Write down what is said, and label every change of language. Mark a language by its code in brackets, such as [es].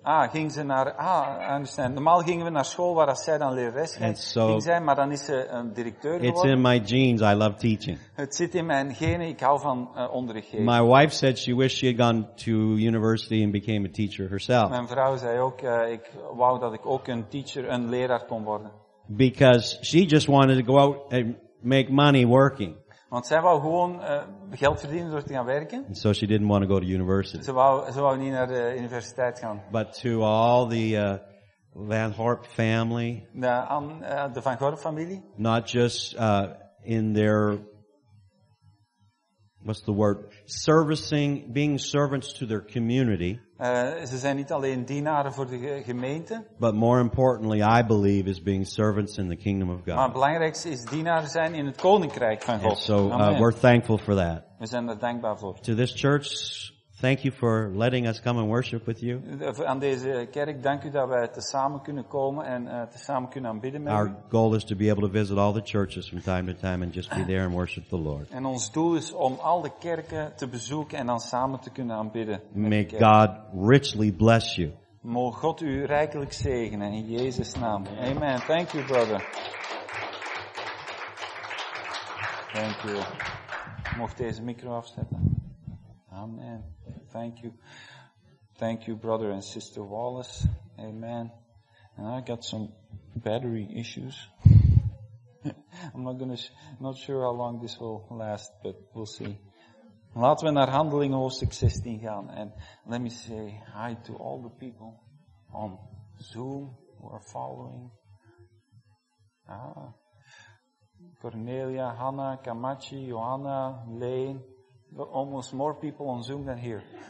[nl] Ah, ging ze naar understand. Normaal gingen we naar school waar zij dan lerares ging. [en] And so, [nl] ging zij, maar dan is ze een directeur geworden. [en] It's in my genes. I love teaching. [nl] Het zit in mijn genen. Ik hou van onderrichten. [en] My wife said she wished she had gone to university and became a teacher herself. [nl] Mijn vrouw zei ook ik wou dat ik ook een teacher, een leraar kon worden. [en] Because she just wanted to go out and make money working. [nl] Want zij wou gewoon geld verdienen door te gaan werken. [en] And so she didn't want to go to university. [nl] Ze wou niet naar de universiteit gaan. [en] But to all the Van Gorp family. [nl] De Van Gorp familie. [en] Not just in their, what's the word? Servicing, being servants to their community. [nl] Ze zijn niet alleen dienaren voor de gemeente. [en] But more importantly, I believe, is being servants in the kingdom of God. [nl] Maar het belangrijkste is dienaren zijn in het koninkrijk van God. [en] And so we're thankful for that. [nl] We zijn er dankbaar voor. [en] To this church, thank you for letting us come and worship with you. [nl] Aan deze kerk, dank u dat wij te samen kunnen komen en te samen kunnen aanbidden met u. [en] Our goal is to be able to visit all the churches from time to time and just be there and worship the Lord. [nl] En ons doel is om al de kerken te bezoeken en dan samen te kunnen aanbidden. [en] May God richly bless you. [nl] Moge God u rijkelijk zegenen in Jezus' naam. Amen. [en] Thank you, brother. Thank you. [nl] Mocht deze micro afzetten. [en] Amen. Thank you. Thank you, brother and sister Wallace. Amen. And I got some battery issues. not sure how long this will last, but we'll see. [nl] Laten we naar Handelingen hoofdstuk 16 gaan. [en] And let me say hi to all the people on Zoom who are following. Cornelia, Hannah, Kamachi, Johanna, Lane. Almost more people on Zoom than here.